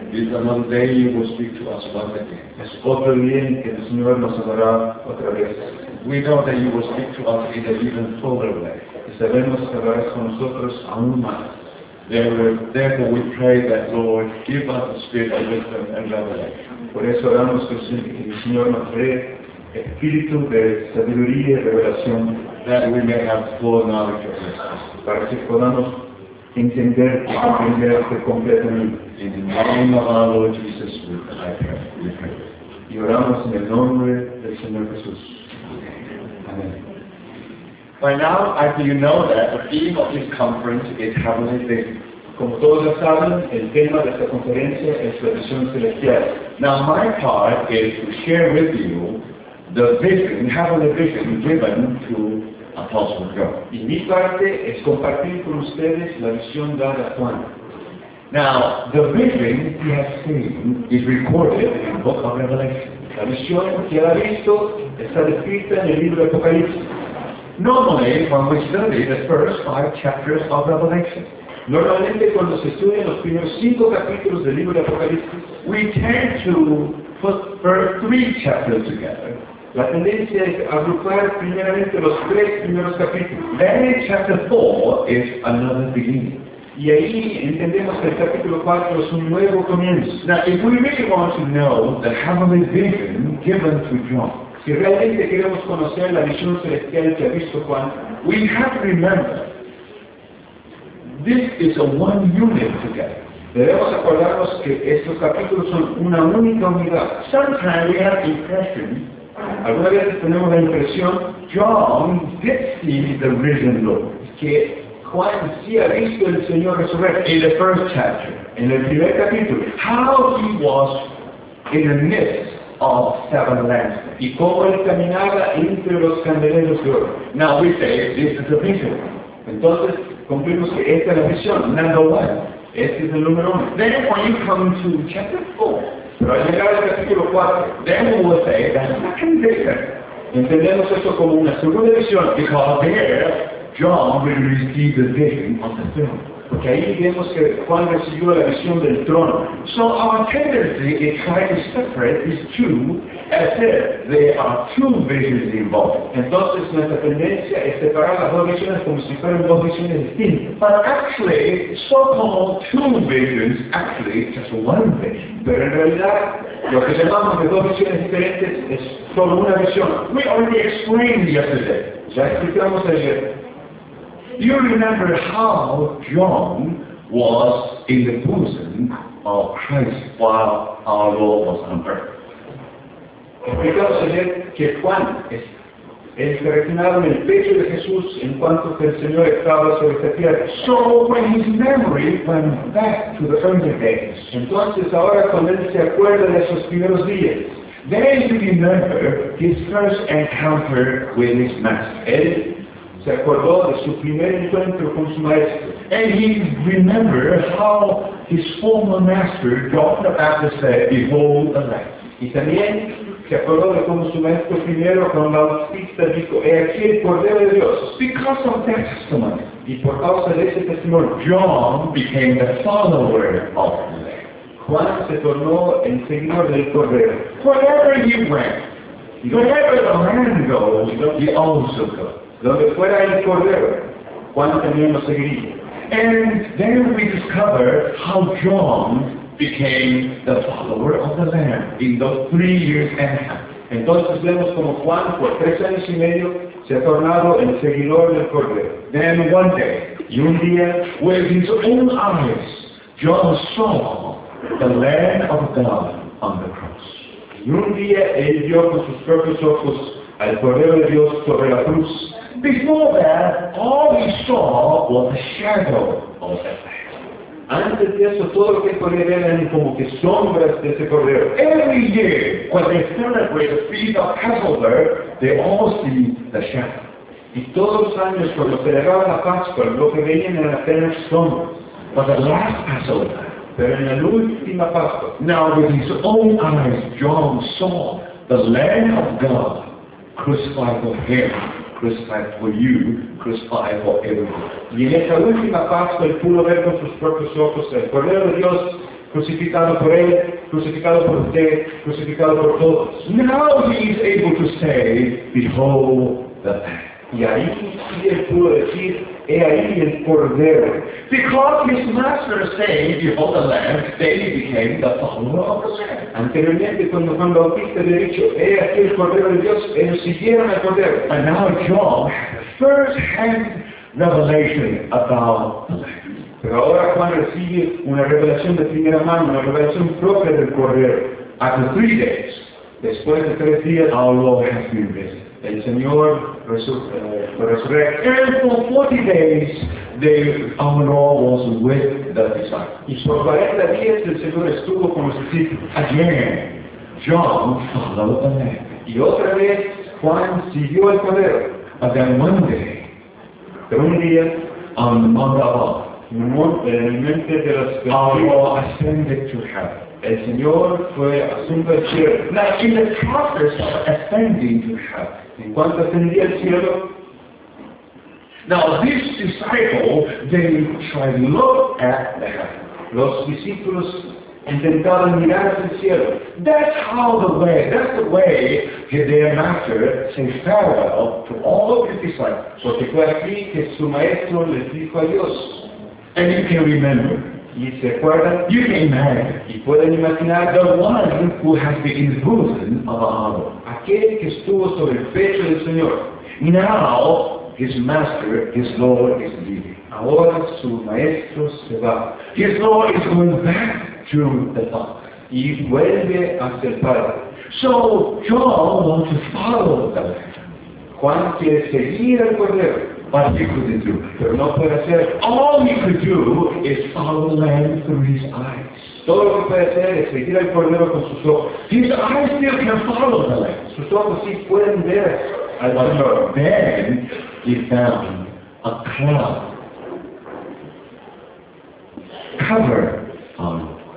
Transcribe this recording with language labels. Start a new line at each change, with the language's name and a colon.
English: This another day you will speak to us once again.
Spanish: Es otro día en que el Señor nos hablará otra vez.
English: We know that you will speak to us in an even fuller way.
Spanish: Y sabemos que hablarás con nosotros aún más.
English: Therefore we pray that Lord give us the spirit of wisdom and revelation.
Spanish: Por eso oramos que el Señor nos dé espíritu de sabiduría y revelación.
English: That we may have full knowledge of this.
Spanish: Para que podamos entender y comprenderte completamente.
English: In the name of our Lord Jesus, we pray.
Spanish: Y oramos en el nombre del Señor Jesús. Amén.
English: By now, as you know that the theme of this conference is heavenly things.
Spanish: Como todos ya saben, el tema de esta conferencia es la visión celestial.
English: Now, my part is to share with you the vision, heavenly vision given to Apostle John.
Spanish: Y mi parte es compartir con ustedes la visión dada a Juan.
English: Now, the vision he has seen is recorded in the book of Revelation.
Spanish: La visión que él ha visto está descrita en el libro de Apocalipsis.
English: Normally, when we study the first five chapters of Revelation,
Spanish: normalmente cuando se estudian los primeros cinco capítulos del libro de Apocalipsis,
English: we tend to put first three chapters together.
Spanish: La tendencia es agrupar primeramente los tres primeros capítulos.
English: Then chapter 4 is another beginning.
Spanish: Y ahí entendemos que el capítulo 4 es un nuevo comienzo.
English: Now, if we really want to know the heavenly vision given to John,
Spanish: si realmente queremos conocer la visión celestial que ha visto Juan,
English: we have to remember, this is a one unit together.
Spanish: Debemos acordarnos que estos capítulos son una única unidad.
English: Sometimes we have the impression,
Spanish: algunas veces tenemos la impresión,
English: John did see the risen Lord,
Spanish: que Juan sí ha visto el Señor resurrecto.
English: In the first chapter,
Spanish: en el primer capítulo,
English: how he was in the midst of seven lamps.
Spanish: Y cómo él caminaba entre los candeleros de oro.
English: Now we say this is a vision.
Spanish: Entonces concluimos que esta es la visión.
English: Number one.
Spanish: Este es el número uno.
English: Then when you come to chapter 4,
Spanish: pero al llegar al capítulo 4,
English: then we will say that second vision.
Spanish: Entendemos esto como una segunda visión.
English: Because there, John will receive the vision of the throne.
Spanish: Porque ahí vemos que Juan recibió la visión del trono.
English: So our tendency is trying to separate these two, as if there are two visions involved.
Spanish: Entonces nuestra tendencia es separar las dos visiones como si fueran dos visiones distintas.
English: But actually, so-called two visions, actually, just one vision.
Spanish: Pero en realidad, lo que llamamos de dos visiones diferentes es solo una visión.
English: We already explained yesterday.
Spanish: Ya explicamos ayer.
English: You remember how John was in the bosom of Christ while our Lord was on earth.
Spanish: Explicamos ayer que Juan es reclinado en el pecho de Jesús en cuanto que el Señor estaba sobre esta tierra.
English: So when his memory went back to the early days,
Spanish: entonces ahora cuando él se acuerda de esos primeros días,
English: then he remembered his first encounter with his master.
Spanish: Se acordó de su primer encuentro con su maestro.
English: And he remembered how his former master, John the Baptist, said, "Behold the Lamb."
Spanish: Y también se acordó de cómo su maestro primero, Juan Bautista, dijo, "He aquí el Cordero de Dios."
English: Because of that testimony,
Spanish: y por causa de ese testimonio,
English: John became the follower of the Lamb.
Spanish: Juan se tornó el seguidor del Cordero.
English: Wherever he went, wherever the Lamb goes, he also goes.
Spanish: Donde fuera el Cordero, Juan también lo seguiría.
English: And then we discover how John became the follower of the Lamb in those 3 years and a half.
Spanish: Entonces vemos como Juan, por 3 años y medio, se ha tornado el seguidor del Cordero.
English: Then one day,
Spanish: y un día,
English: with his own eyes, John saw the Lamb of God on the cross.
Spanish: Y un día, él vio con sus propios ojos al Cordero de Dios sobre la cruz.
English: Before that, all he saw was a shadow of the Lamb.
Spanish: Antes de eso, todo lo que podía ver eran como que sombras de ese Cordero.
English: Every year, when they celebrate the feast of Passover, they all see the shadow.
Spanish: Y todos los años, cuando celebraban la Pascua, lo que veían eran apenas sombras.
English: But the last Passover,
Spanish: pero en la última Pascua,
English: now with his own eyes, John saw the Lamb of God crucified for him. Crucified for you, crucified for everyone.
Spanish: Y en esta última Pascua él pudo ver con sus propios ojos el Cordero de Dios crucificado por él, crucificado por usted, crucificado por todos.
English: Now he is able to say, "Behold the Lamb."
Spanish: Y ahí sí él pudo decir, "He ahí el Cordero."
English: Because his master saying, "Behold the Lamb," they became the follower of the Lamb.
Spanish: Anteriormente, cuando Juan Bautista había dicho, "He aquí el Cordero de Dios," ellos siguieron al Cordero.
English: And now John has a first-hand revelation about the Lamb.
Spanish: Pero ahora Juan recibe una revelación de primera mano, una revelación propia del Cordero.
English: After 3 days,
Spanish: después de 3 días,
English: our Lord has been risen.
Spanish: El Señor resurrecto.
English: And for 40 days, our Lord was with the disciples.
Spanish: Y por 40 días el Señor estuvo con los discípulos.
English: Again, John followed the Lamb.
Spanish: Y otra vez, Juan siguió el Cordero.
English: But then one day,
Spanish: pero un día,
English: on the Mount of Olives,
Spanish: en el monte de las bendiciones,
English: our Lord ascended to heaven.
Spanish: El Señor fue asunto al cielo.
English: Now, in the process of ascending to heaven,
Spanish: en cuanto ascendía al cielo,
English: now these disciples, they tried to look at the heaven.
Spanish: Los discípulos intentaron mirar hacia el cielo.
English: That's the way their master said farewell to all of his disciples.
Spanish: Porque fue aquí que su maestro les dijo adiós.
English: And you can remember.
Spanish: Y se acuerdan.
English: You can imagine.
Spanish: Y pueden imaginar
English: the one who has been in the bosom of our Lord.
Spanish: Aquel que estuvo sobre el pecho del Señor.
English: Now, his master, his Lord, is leaving.
Spanish: Ahora su maestro se va.
English: His Lord is going back to the Father.
Spanish: Y vuelve hacia el Padre.
English: So, John wants to follow the Lamb.
Spanish: Juan quiere seguir al Cordero.
English: what he couldn't do.
Spanish: Pero no puede hacer.
English: All he could do is follow the lamb through his eyes.
Spanish: Todo lo que puede hacer es seguir al cordero con sus ojos.
English: His eyes still can follow the lamb.
Spanish: Sus ojos sí pueden ver al cordero.
English: Then he found a cloud cover on.